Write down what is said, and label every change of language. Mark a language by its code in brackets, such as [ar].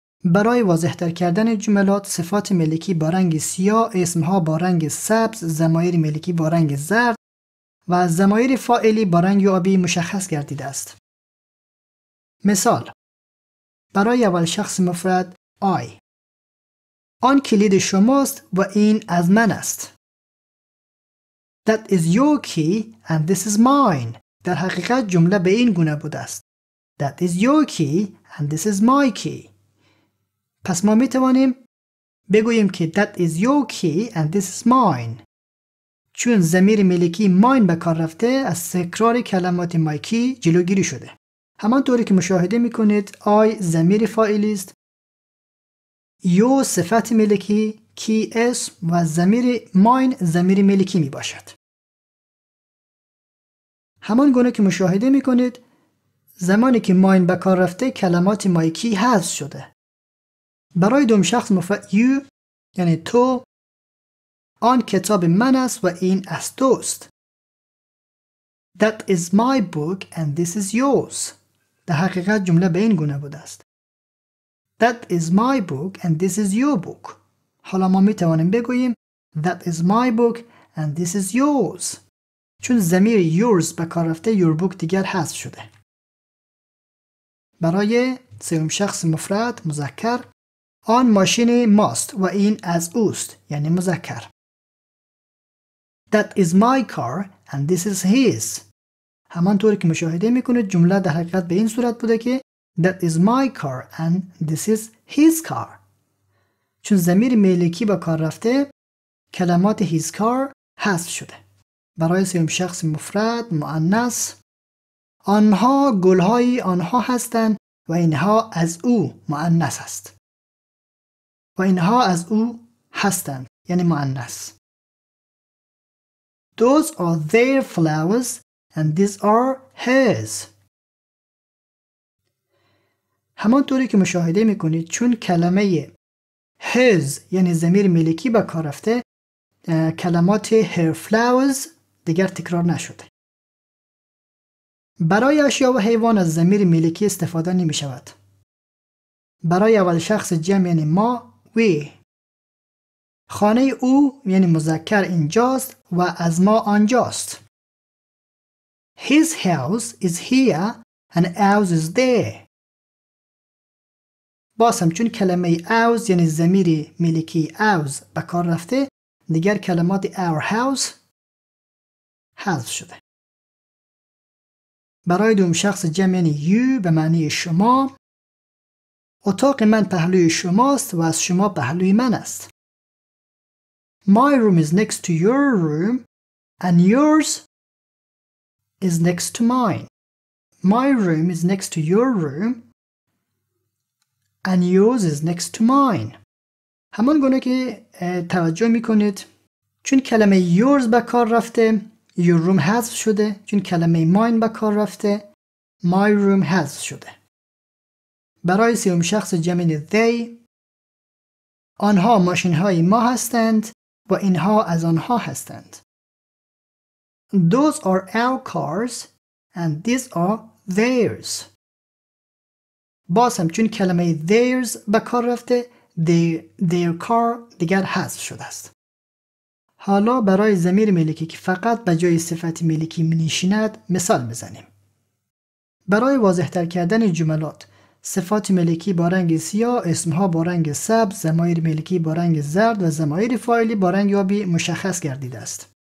[fa] برای واضح تر کردن جملات، صفات ملکی با رنگ سیاه، اسمها با رنگ سبز، ضمایر ملکی با رنگ زرد و ضمایر فاعلی با رنگ آبی مشخص گردیده است. مثال: برای اول شخص مفرد آی، آن کلید شماست و این از من است. [en] That is your key and this is mine. [fa] در حقیقت جمله به این گونه بوده است. [en] That is your key and this is my key. [fa] پس ما می توانیم بگوییم که [en] That is your key and this is mine. [fa] چون ضمیر ملکی mine به کار رفته، از تکرار کلمات [en] my key [fa] جلوگیری شده. همانطوری که مشاهده می کنید، I ضمیر فاعلی است. You صفت ملکی، کی اسم و ضمیر ماین ضمیر ملکی می باشد. همان گونه که مشاهده می کنید، زمانی که ماین به کار رفته کلمات مای کی حذف شده. برای دوم شخص مفرد یو یعنی تو، آن کتاب من است و این از توست. [en] That is my book and this is yours. [fa] در حقیقت جمله به این گونه بوده است. [en] That is my book and this is your book. [fa] حالا ما می توانیم بگوییم [en] That is my book and this is yours. [fa] چون ضمیر yours به کار رفته [en] your book [fa] دیگر حذف شده. برای سوم شخص مفرد مذکر، آن ماشین ماست و این از اوست، یعنی مذکر. [en] That is my car and this is his. [fa] همانطور که مشاهده میکنید جمله در حقیقت به این صورت بوده که [en] That is my car and this is his car. [fa] چون ضمیر ملکی با کار رفته کلمات [en] his car [fa] حذف شده. برای سوم شخص مفرد مؤنث، آنها گلهای آنها هستند و اینها از او مؤنث است. و اینها از او هستند، یعنی مؤنث. [en] Those are their flowers and these are hers. [fa] همانطوری که مشاهده میکنید چون کلمه his یعنی ضمیر ملکی با کار رفته کلمات [en] her flowers [fa] دیگر تکرار نشده. برای اشیا و حیوان از ضمیر ملکی استفاده نمی شود. برای اول شخص جمع یعنی ما we. خانه او یعنی مذکر اینجاست و از ما آنجاست. [en] His house is here and ours is there. [fa] باسم چون کلمه ours یعنی ضمیر ملکی ours به کار رفته دیگر کلمات [en] our house [fa] حذف شده. برای دوم شخص جمع یعنی you به معنی شما، اتاق من پهلوی شماست و از شما پهلوی من است. [en] My room is next to your room and yours is next to mine. My room is next to your room and yours is next to mine. [fa] همان گونه که توجه میکنید چون کلمه yours به کار رفته [en] your room [fa] حذف شده، چون کلمه mine به کار رفته [en] my room [fa] حذف شده. برای سوم شخص جمع they، آنها ماشین های ما هستند و اینها از آنها هستند. [en] Those are our cars and these are theirs. [fa] بازم چون کلمه theirs به کار رفته [en] their car [fa] دیگر حذف شده است. حالا برای ضمیر ملکی که فقط به جای صفت ملکی می‌نشیند مثال بزنیم. برای واضح‌تر کردن جملات، صفات ملکی با رنگ سیاه، اسمها با رنگ سبز، ضمایر ملکی با رنگ زرد و ضمایر فاعلی با رنگ آبی مشخص گردیده است.